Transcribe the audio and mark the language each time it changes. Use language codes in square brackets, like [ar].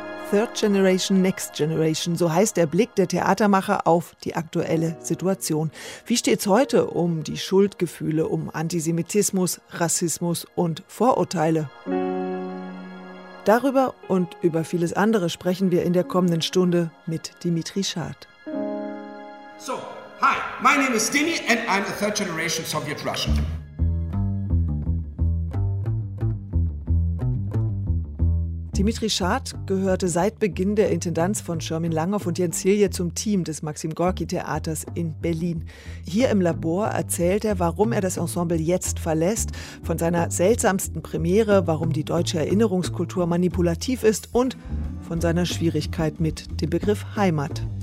[en] Third Generation, Next Generation, [de] so heißt der Blick der Theatermacher auf die aktuelle Situation. Wie steht's heute um die Schuldgefühle, um Antisemitismus, Rassismus und Vorurteile? Darüber und über vieles andere sprechen wir in der kommenden Stunde mit Dimitri Schad. [en] So, hi, my name is Dimi and I'm a third generation Soviet Russian. [de] Dimitri Schad gehörte seit Beginn der Intendanz von Schirmin Langhoff und Jens Hilje zum Team des Maxim-Gorki-Theaters in Berlin. Hier im Labor erzählt er, warum er das Ensemble jetzt verlässt, von seiner seltsamsten Premiere, warum die deutsche Erinnerungskultur manipulativ ist und von seiner Schwierigkeit mit dem Begriff Heimat.